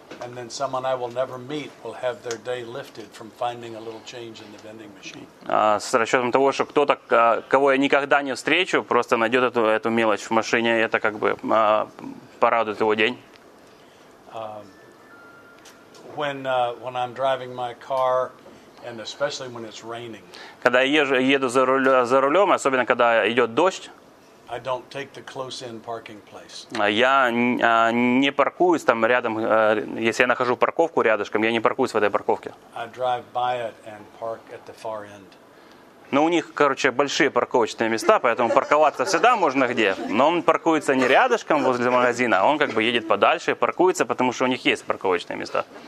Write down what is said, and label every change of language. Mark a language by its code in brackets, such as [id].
[en] And then someone I will never meet will have their day lifted from finding a little change in the vending machine. [ru] С расчетом того, что кто-то, кого я никогда не встречу, просто найдет эту мелочь в машине, и это как бы порадует его день. [en] When I'm driving my car. And especially when it's raining. [ru] Когда я еду за рулем, особенно когда идет дождь, [en] I don't take the close-in parking place. [ru] Я не паркуюсь там рядом, если я нахожу парковку рядышком, я не паркуюсь в этой парковке. [en] I drive by it and park at the far end. [ru] Но у них, короче, большие парковочные места, поэтому парковаться всегда можно где. Но он паркуется не рядышком возле магазина, а он как бы едет подальше и паркуется, потому что у них есть парковочные места.